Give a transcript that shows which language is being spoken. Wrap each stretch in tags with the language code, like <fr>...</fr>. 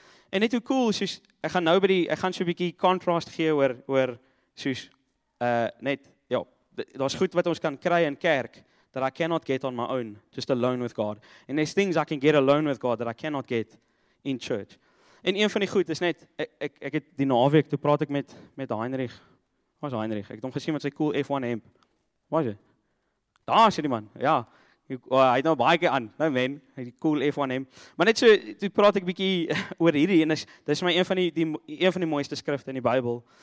<en>And it's cool,</en> <af>soos, ek gaan so 'n bietjie contrast gee oor soos daar's goed wat ons kan kry in kerk</af> <en>that I cannot get on my own, just alone with God. And there's things I can get alone with God that I cannot get in church.</en> <af>En een van die goed is net ek het die naweek toe praat ek met Heinrich. Was Heinrich? Ek het hom gesien met sy cool F1 hemp. Was hy? Daar is die man. Ja. Hy het nou baie keer aan, nou man, hy het die cool F1 hem. Maar net so, toe praat ek bietjie oor hierdie, en dis my een van die mooiste skrifte in die Bybel.</af>